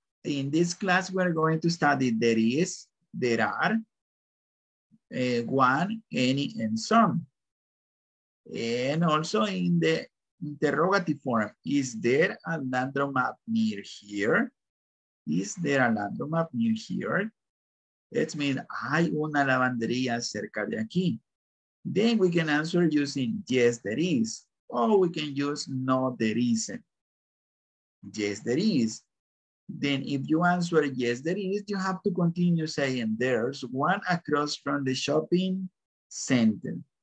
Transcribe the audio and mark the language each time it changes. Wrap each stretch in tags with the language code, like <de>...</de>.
<en>In this class, we're going to study there are one, any, and some. And also in the interrogative form, is there a laundromat near here? Is there a laundromat near here? It means,</en> <es>hay una lavandería cerca de aquí.</es> <en>Then we can answer using, yes, there is. Or we can use, no, there isn't. Yes, there is. Then if you answer, yes, there is, you have to continue saying, there's one across from the shopping center.</en>